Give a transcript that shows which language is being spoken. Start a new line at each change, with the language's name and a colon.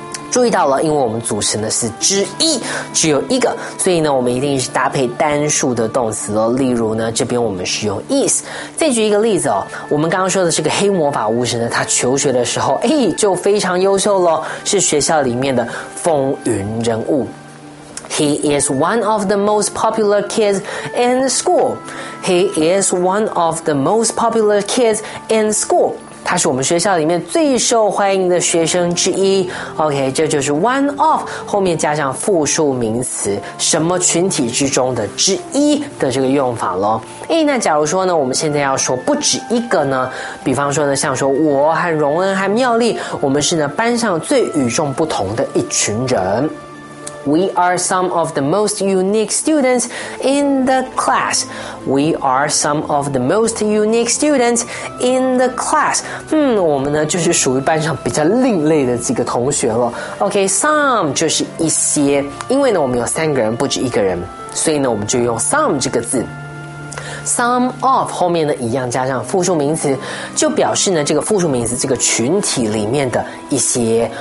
Chinese: 注意到了，因为我们组成的是之一，只有一个，所以呢我们一定是搭配单数的动词了。例如呢，这边我们是用 is。再举一个例子哦，我们刚刚说的是个黑魔法巫师呢，他求学的时候就非常优秀了，是学校里面的风云人物。
English: He is one of the most popular kids in school. He is one of the most popular kids in school.
Chinese: 他是我们学校里面最受欢迎的学生之一。 OK， 这就是 one of 后面加上复数名词什么群体之中的之一的这个用法咯。那假如说呢，我们现在要说不止一个呢，比方说呢，像说我和荣恩和妙丽，我们是呢班上最与众不同的一群人。
English: We are some of the most unique students in the class. We are some of the most unique students in the class.
Chinese: 我们呢就是属于班上比较另类的几个同学了。 OK， some 就是一些，因为呢我们有三个人不止一个人，所以呢我们就用 some 这个字。 Some of 后面呢一样加上复数名词，就表示呢这个复数名词这个群体里面的一些。